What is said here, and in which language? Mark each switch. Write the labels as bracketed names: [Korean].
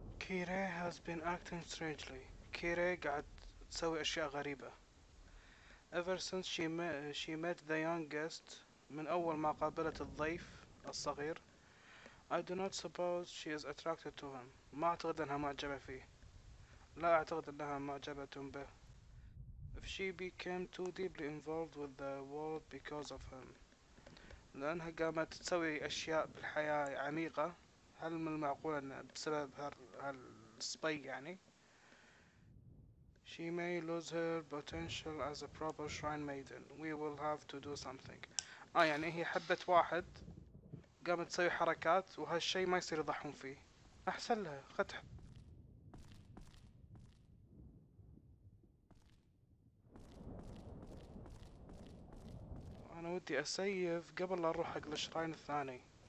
[English] Kerry has been acting strangely. [Arabic] كيري قاعد تسوي أشياء غريبة. [English] Ever since she met the young guest, [Arabic] من أول ما قابلت الضيف الصغير, [English] I do not suppose she is attracted to him. [Arabic] ما أعتقد أنها معجبة فيه. لا أعتقد أنها معجبة به. [English] If she became too deeply involved with the world because of him, [Arabic] لأنها قامت تسوي أشياء بالحياة عميقة. هل من المعقول أن بسبب هالسبي يعني؟ [English] She may lose her potential as a proper shrine maiden. We will have to do something. [Arabic] آه يعني هي حبت واحد قامت تسوي حركات وهالشي ما يصير يضحون فيه. أحسن لها خدها. أنا ودي أسيف قبل لا أروح حق الشراين الثاني.